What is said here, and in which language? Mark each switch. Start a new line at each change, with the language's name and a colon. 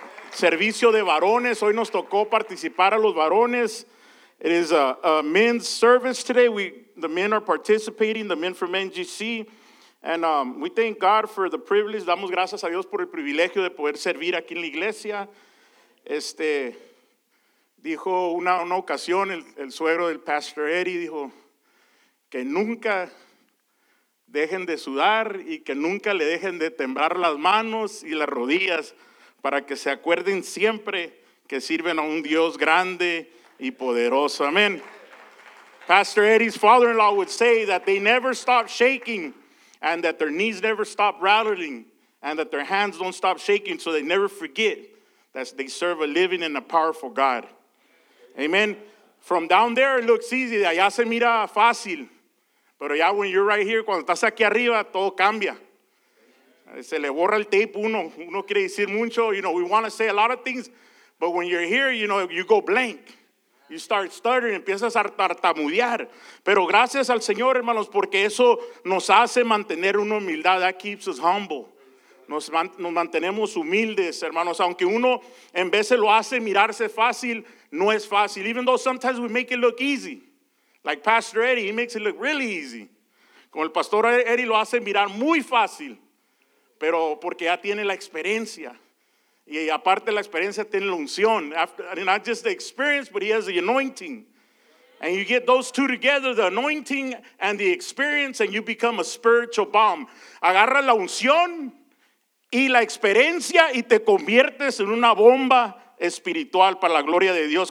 Spanish: Servicio de varones, hoy nos tocó participar a los varones.
English: It is a men's service today. The men are participating, the men from NGC. And we thank God for the privilege.
Spanish: Damos gracias a Dios por el privilegio de poder servir aquí en la iglesia. Dijo una ocasión el suegro del Pastor Eddie, dijo, que nunca dejen de sudar y que nunca le dejen de temblar las manos y las rodillas para que se acuerden siempre que sirven a un Dios grande y poderoso. Amen.
English: Pastor Eddie's father-in-law would say that they never stop shaking and that their knees never stop rattling and that their hands don't stop shaking so they never forget that they serve a living and a powerful God. Amen. From down there it looks easy.
Spanish: De allá se mira fácil. Pero ya
English: when you're right here,
Spanish: cuando estás aquí arriba, todo cambia. Se le borra el tape uno. Uno quiere decir mucho.
English: You know, we want to say a lot of things. But when you're here, you know, you go blank. You start stuttering.
Spanish: Empiezas a tartamudear. Pero gracias al Señor, hermanos, porque eso nos hace mantener una humildad.
English: That keeps us humble.
Spanish: Nos mantenemos humildes, hermanos. Aunque uno en veces lo hace mirarse fácil, no es fácil.
English: Even though sometimes we make it look easy. Like Pastor Eddie, he makes it look really easy.
Spanish: Como el Pastor Eddie lo hace mirar muy fácil, pero porque ya tiene la experiencia. Y aparte la experiencia tiene la unción.
English: Not just the experience, but he has the anointing. And you get those two together, the anointing and the experience, and you become a spiritual bomb.
Spanish: Agarra la unción y la experiencia y te conviertes en una bomba espiritual para la gloria de Dios.